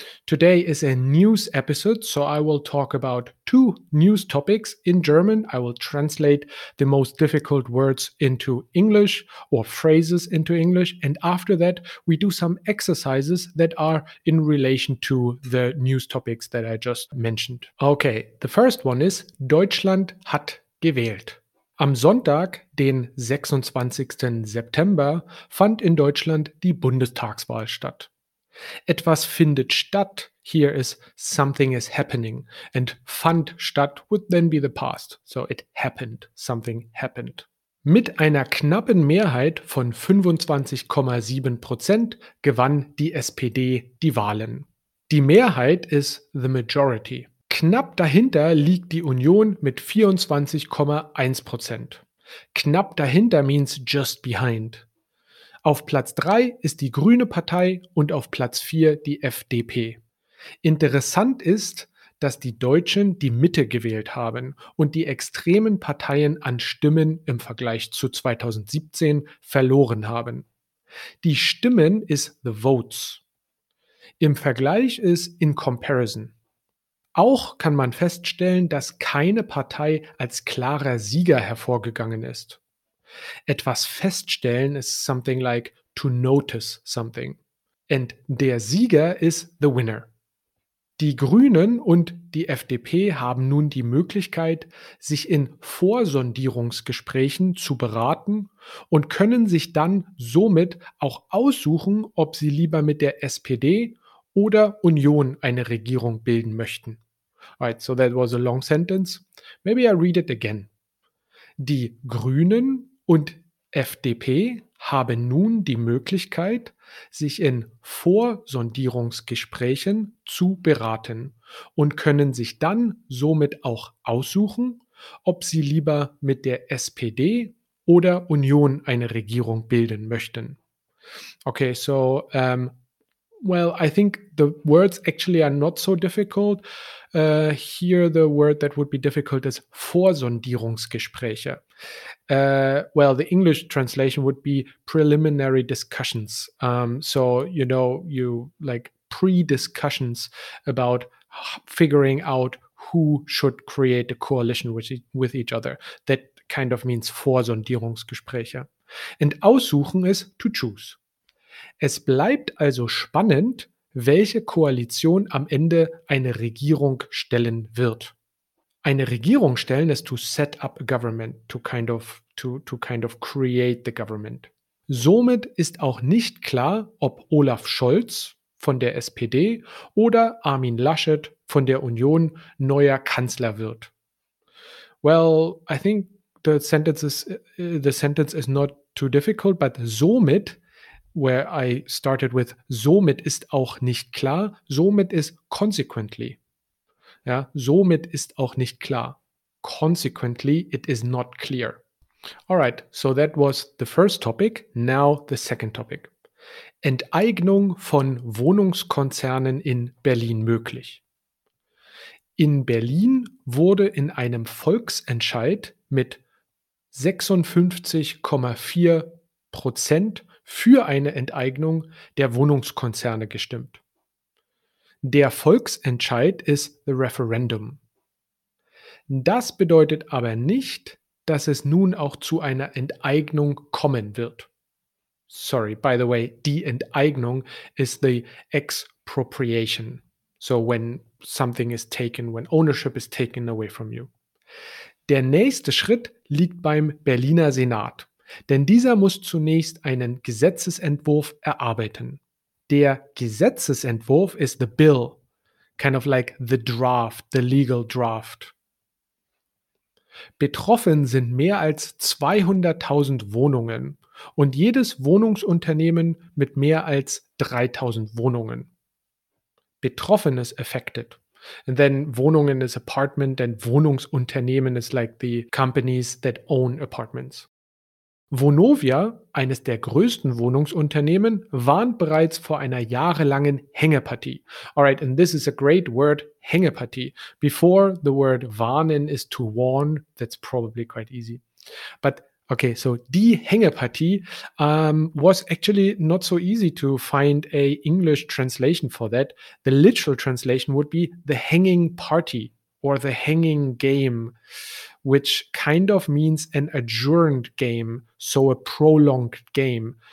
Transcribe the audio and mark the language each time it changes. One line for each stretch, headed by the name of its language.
English: Today is a news episode, so I will talk about two news topics in German. I will translate the most difficult words into English or phrases into English, and after that we do some exercises that are in relation to the news topics that I just mentioned. Okay, the first one is
German: Deutschland hat gewählt. Am Sonntag, den 26. September, fand in Deutschland die Bundestagswahl statt. Etwas findet statt,
English: here is something is happening, and
German: fand statt
English: would then be the past, so it happened, something happened.
German: Mit einer knappen Mehrheit von 25,7% gewann die SPD die Wahlen. Die Mehrheit ist
English: the majority.
German: Knapp dahinter liegt die Union mit 24,1%. Knapp dahinter
English: means just behind.
German: Auf Platz 3 ist die Grüne Partei und auf Platz 4 die FDP. Interessant ist, dass die Deutschen die Mitte gewählt haben und die extremen Parteien an Stimmen im Vergleich zu 2017 verloren haben. Die Stimmen ist
English: the votes.
German: Im Vergleich ist
English: in comparison.
German: Auch kann man feststellen, dass keine Partei als klarer Sieger hervorgegangen ist. Etwas feststellen ist
English: something like to notice something.
German: And der Sieger ist
English: the winner.
German: Die Grünen und die FDP haben nun die Möglichkeit, sich in Vorsondierungsgesprächen zu beraten und können sich dann somit auch aussuchen, ob sie lieber mit der SPD oder Union eine Regierung bilden möchten.
English: Alright, so that was a long sentence. Maybe I read it again.
German: Die Grünen und FDP habe nun die Möglichkeit, sich in Vorsondierungsgesprächen zu beraten und können sich dann somit auch aussuchen, ob sie lieber mit der SPD oder Union eine Regierung bilden möchten.
English: Okay, so, well, I think the words actually are not so difficult. Here the word that would be difficult is Vorsondierungsgespräche. Well, the English translation would be preliminary discussions. So, you know, you like pre-discussions about figuring out who should create a coalition with each other. That kind of means Vorsondierungsgespräche. And aussuchen is to choose.
German: Es bleibt also spannend, welche Koalition am Ende eine Regierung stellen wird. Eine Regierung stellen ist
English: to set up a government, to kind of create the government.
German: Somit ist auch nicht klar, ob Olaf Scholz von der SPD oder Armin Laschet von der Union neuer Kanzler wird.
English: Well, I think the sentence is not too difficult, but somit, where I started with,
German: somit ist auch nicht klar, somit ist
English: consequently.
German: Ja, somit ist auch nicht klar.
English: Consequently, it is not clear. All right, so that was the first topic. Now the second topic.
German: Enteignung von Wohnungskonzernen in Berlin möglich. In Berlin wurde in einem Volksentscheid mit 56,4% für eine Enteignung der Wohnungskonzerne gestimmt. Der Volksentscheid ist
English: the referendum.
German: Das bedeutet aber nicht, dass es nun auch zu einer Enteignung kommen wird.
English: Sorry, by the way, die Enteignung is the expropriation. So when something is taken, when ownership is taken away from you.
German: Der nächste Schritt liegt beim Berliner Senat, denn dieser muss zunächst einen Gesetzesentwurf erarbeiten.
English: Der Gesetzesentwurf is the bill, kind of like the draft, the legal draft.
German: Betroffen sind mehr als 200.000 Wohnungen und jedes Wohnungsunternehmen mit mehr als 3.000 Wohnungen.
English: Betroffen is affected. And then Wohnungen is apartment and Wohnungsunternehmen is like the companies that own apartments.
German: Vonovia, eines der größten Wohnungsunternehmen, warnt bereits vor einer jahrelangen Hängepartie.
English: Alright, and this is a great word, Hängepartie. Before the word warnen is to warn, that's probably quite easy. But okay, so die Hängepartie was actually not so easy to find a English translation for that. The literal translation would be the hanging party or the hanging game, which kind of means an adjourned game, so a prolonged game.